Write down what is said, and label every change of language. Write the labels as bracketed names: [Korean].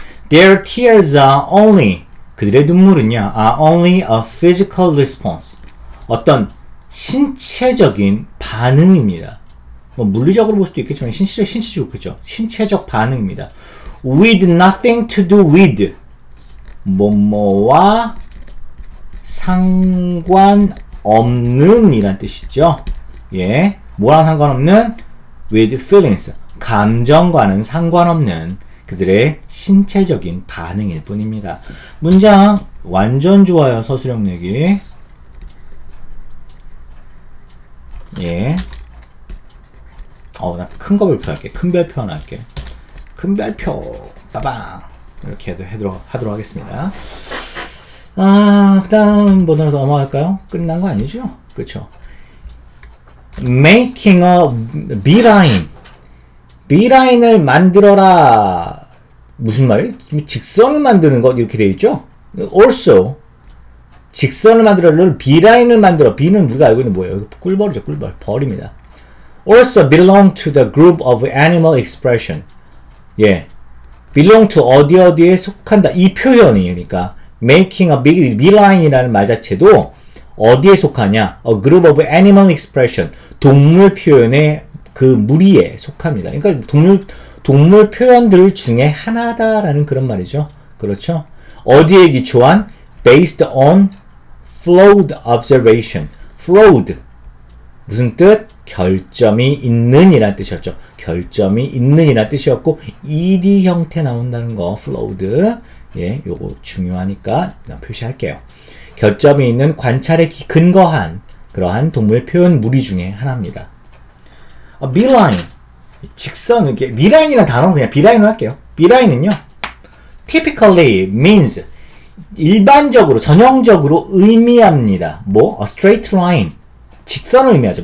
[English] Their tears are only, [Korean] 그들의 눈물은요, [English] are only a physical response. [Korean] 어떤 신체적인 반응입니다. 뭐 물리적으로 볼 수도 있겠지만 신체적 그렇죠? 신체적 반응입니다. [English] With nothing to do with [Korean] 뭐뭐와 상관없는 이란 뜻이죠. 예, 뭐랑 상관없는? [English] With feelings, [Korean] 감정과는 상관없는 그들의 신체적인 반응일 뿐입니다. 문장 완전 좋아요. 서술형 내기. 예. 나 큰 거 발표할게. 큰 별표 하나 할게. 큰 별표. 빠방. 이렇게 하도록 하겠습니다. 아, 그 다음 번호로 넘어갈까요? 끝난 거 아니죠? 그쵸? [English] Making a B-line. [Korean] B-line을 만들어라. 무슨 말이에요? 직선을 만드는 것 이렇게 되어 있죠? Also. 직선을 만들어라. B-line을 만들어. B는 우리가 알고 있는 뭐예요? 꿀벌이죠. 꿀벌. 벌입니다. [English] Also belong to the group of animal expression. [Korean] 예, belong to 어디 어디에 속한다. 이 표현이 그러니까 making a big B-line이라는 말 자체도 어디에 속하냐? [English] A group of animal expression. [Korean] 동물 표현의 그 무리에 속합니다. 그러니까 동물 표현들 중에 하나다라는 그런 말이죠. 그렇죠? 어디에 기초한? [English] Based on flawed observation. [Korean] Flawed 무슨 뜻? 결점이 있는 이란 뜻이었죠. 결점이 있는 이란 뜻이었고 ED 형태 나온다는 거 flawed 예, 요거 중요하니까 표시할게요. 결점이 있는 관찰에 근거한 그러한 동물 표현 무리 중에 하나입니다. A B-line 직선 이렇게 B-line이라는 단어 그냥 B-line으로 할게요. B-line은요 [English] typically means [Korean] 일반적으로 전형적으로 의미합니다. 뭐? [English] A straight line [Korean] 직선을 의미하죠.